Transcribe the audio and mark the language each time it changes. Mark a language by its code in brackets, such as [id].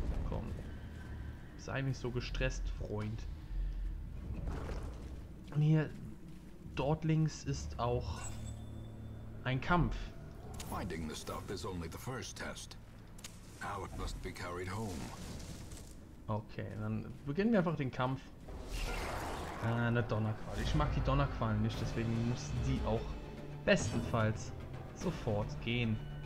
[de] Komm. Sei nicht so gestresst, Freund. Und hier dort links ist auch ein Kampf. [en] Finding the stuff is only the first test. Now it must be carried home. [de] Okay, dann beginnen wir einfach den Kampf. Eine Donnerqual. Ich mag die Donnerqualen nicht, deswegen muss die auch bestenfalls sofort gehen.